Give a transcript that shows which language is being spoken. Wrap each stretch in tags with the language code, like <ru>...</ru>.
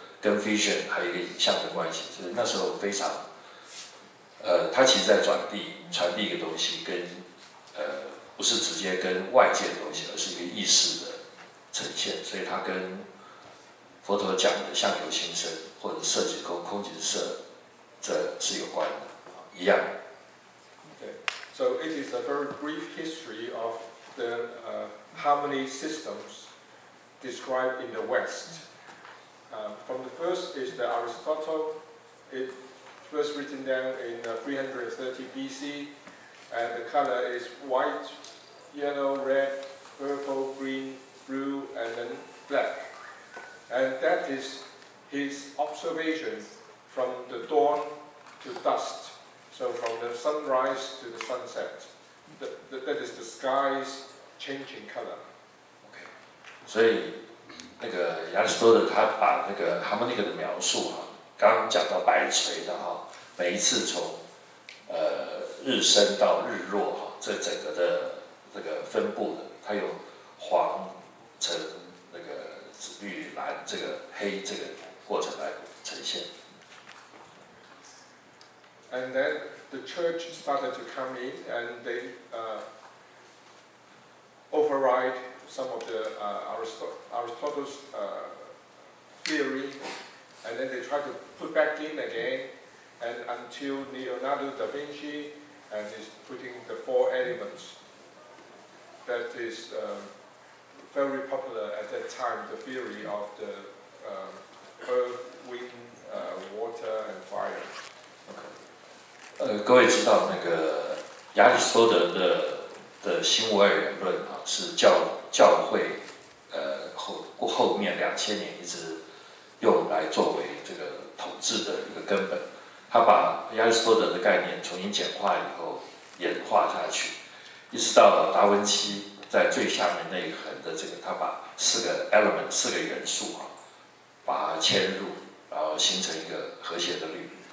<zh>跟 vision 还有一个影像的关系，就是那时候非常，他其实在传递一个东西跟，不是直接跟外界的东西，而是一个意识的呈现，所以他跟佛陀讲的相由心生或者色即空，空即色，这是有关的，一样。</zh> <en>Okay. So it is a very brief history of the harmony systems described in the West. From the first is the Aristotle. It was written down in 330 BC, and the color is white, yellow, red, purple, green, blue, and then black. And that is his observation from the dawn to dusk, so from the sunrise to the sunset. That is the sky's changing color. Okay. So.</en> <zh>那个亚里士多德他把那个 harmonic 的描述啊，刚刚讲到摆锤的哈，每一次从日升到日落哈，这整个的这个分布的，它有黄、橙、那个紫、绿、蓝、这个黑这个过程来呈现。</zh> <en>And then the church started to come in, and they override. Some of the Aristotle's theory, and then they try to put back in again, and until Leonardo da Vinci and is putting the four elements, that is very popular at that time. The theory of the earth, wind, water, and fire. Okay.</en> <zh>各位知道那个亚里士多德的新五二元论啊，是教会后面2000年一直用来作为这个统治的一个根本。他把亚里士多德的概念重新简化以后演化下去，一直到达文西在最下面那一横的这个，他把四个 element 四个元素啊，把它嵌入，然后形成一个和谐的律。</zh>